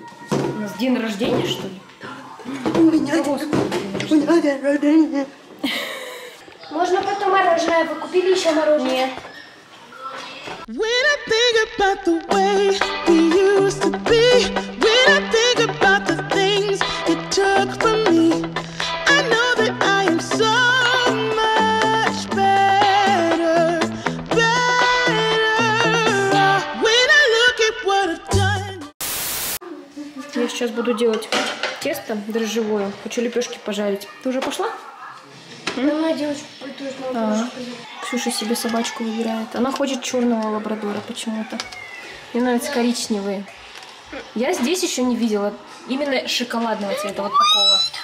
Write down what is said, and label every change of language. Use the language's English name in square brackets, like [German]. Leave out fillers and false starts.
[Russian] У нас день рождения, что ли? У меня день рождения. Можно потом мороженое, вы купили еще мороженое? Нет. [English] When I think about the way we used to be, when I think about the things you took from me, I know that I am so much better, better. When I look at what I've done. [Russian] Я сейчас буду делать тесто дрожжевое. Хочу лепешки пожарить. Ты уже пошла? Давай, девочка, пойду, ага. Ксюша себе собачку выбирает. Она хочет черного лабрадора почему-то. Мне нравятся коричневые. Я здесь еще не видела именно шоколадного цвета, вот такого.